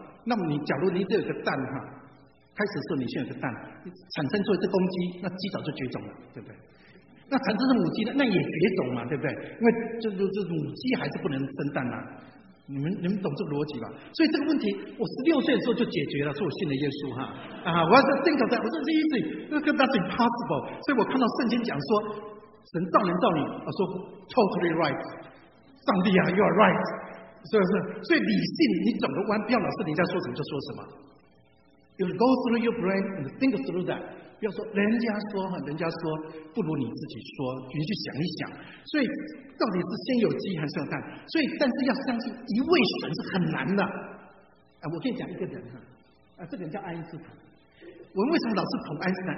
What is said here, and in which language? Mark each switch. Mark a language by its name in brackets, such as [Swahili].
[Chinese] 那么你假如你只有一个蛋哈，开始的时候你先有个蛋，产生出一只公鸡，那鸡早就绝种了，对不对？那产生是母鸡的，那也绝种嘛，对不对？因为就母鸡还是不能生蛋啊。你们懂这个逻辑吧？所以这个问题，我16岁的时候就解决了，所以我信了耶稣哈。我要说 [English] think of that， [Chinese] 我说 [English] that's impossible。 [Chinese] 所以我看到圣经讲说，神造人造女，我说 [English] totally right， [Chinese] 上帝啊 ， [English] you are right， [Chinese] 是不是？所以理性你转个弯，不要老是人家说什么就说什么。 [English] You go through your brain and think through that。 [Chinese] 不要说人家说哈，人家说不如你自己说，你去想一想。所以到底是先有鸡还是要蛋？所以但是要相信一位神是很难的。我跟你讲一个人哈，这个人叫爱因斯坦。我们为什么老是捧爱因斯坦？